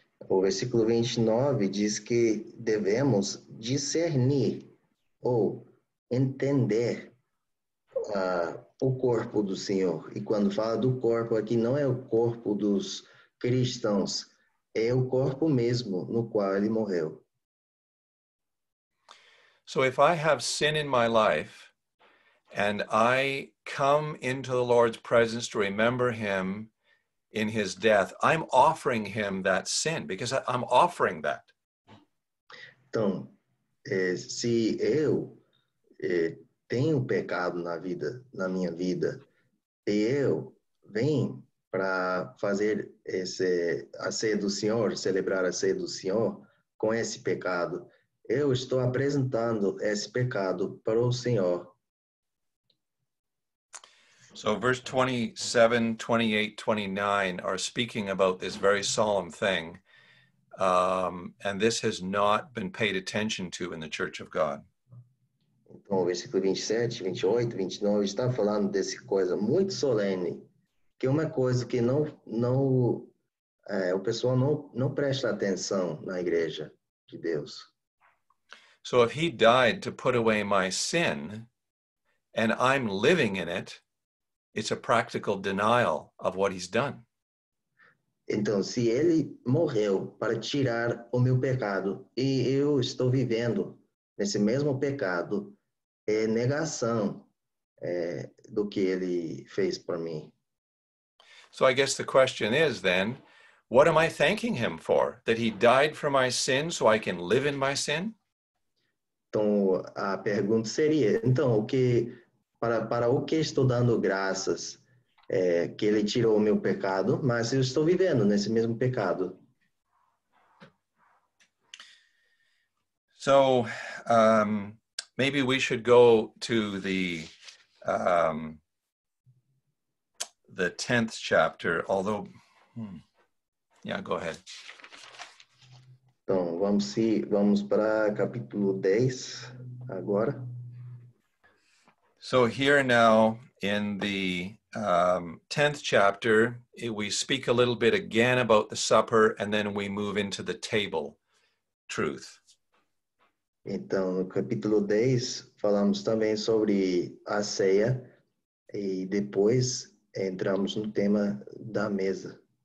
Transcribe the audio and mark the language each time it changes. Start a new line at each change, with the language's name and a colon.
Portuguese: O versículo 29 diz que devemos discernir ou entender o corpo do Senhor. E quando fala do corpo aqui, não é o corpo dos cristãos. É o corpo mesmo no qual ele morreu.
English: So if I have sin in my life and I come into the Lord's presence to remember him in his death, I'm offering him that sin because I'm offering that.
Portuguese: Então, se eu tenho pecado na minha vida, e eu venho para fazer a ceia do Senhor, celebrar a ceia do Senhor com esse pecado. Eu estou apresentando esse pecado para o Senhor.
English: So verse 27, 28, 29 are speaking about this very solemn thing. And this has not been paid attention to in the Church of God.
Portuguese: Então, o versículo 27, 28, 29 está falando dessa coisa muito solene. Que é uma coisa que o pessoal não presta atenção na igreja de Deus.
English: So if he died to put away my sin and I'm living in it, it's a practical denial of what he's done.
Portuguese: Então, se ele morreu para tirar o meu pecado e eu estou vivendo nesse mesmo pecado, é negação do que ele fez por mim.
English: So I guess the question is then, what am I thanking him for? That he died for my sin so I can live in my sin?
Portuguese: Então, a pergunta seria, para o que estou dando graças? Que ele tirou o meu pecado, mas eu estou vivendo nesse mesmo pecado.
English: So, maybe we should go to the 10th chapter, although, yeah, go ahead.
Portuguese: Então, vamos para capítulo 10 agora.
English: So here now in the 10th chapter, we speak a little bit again about the supper and then we move into the table truth.
Portuguese: Então, no capítulo 10, falamos também sobre a ceia e depois entramos no tema da mesa.